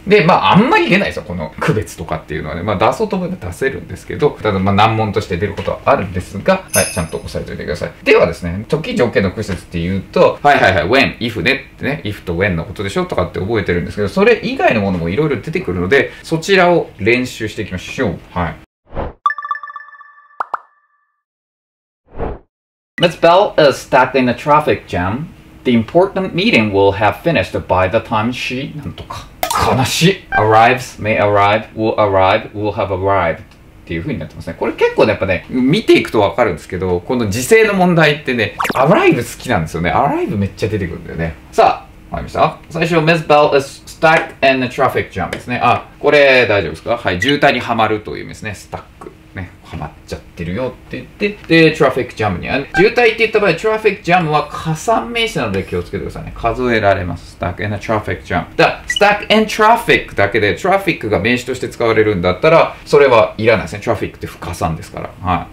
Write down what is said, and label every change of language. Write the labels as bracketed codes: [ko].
[ja] でまああんまり言えないですよ、この区別とかっていうのはね。まあ出そうと思えば出せるんですけど、ただまあ難問として出ることはあるんですが、はい、ちゃんと押さえておいてください。ではですね、時条件の屈折っていうと、はいはいはい、 when if ねってね、 if と when のことでしょとかって覚えてるんですけど、それ以外のものもいろいろ出てくるのでそちらを練習していきましょう、はい。 [en] Ms. Bell is stuck in a traffic jam. The important meeting will have finished by the time she... [ja] なんとか。悲しい。 [en] Arrives, may arrive, will arrive, will have arrived. [ja] っていう風になってますね。これ結構ね、やっぱね、見ていくとわかるんですけど、この時制の問題ってね、Arrive 好きなんですよね。 Arrive めっちゃ出てくるんだよね。さあ、わかりました。最初、Ms. [en] Bell is stuck in a traffic jam [ja] ですね。あ、これ大丈夫ですか？はい、渋滞にはまるという意味ですね。 [en] Stuck。 [ja] ね、ハマっちゃってるよって言って、でトラフィックジャムに、渋滞って言った場合トラフィックジャムは加算名詞なので気をつけてくださいね。数えられます。 [en] Stuck in a traffic jam [ja] だ、 [en] Stuck in traffic [ja] だけでトラフィックが名詞として使われるんだったらそれはいらないですね。トラフィックって不加算ですから、はい。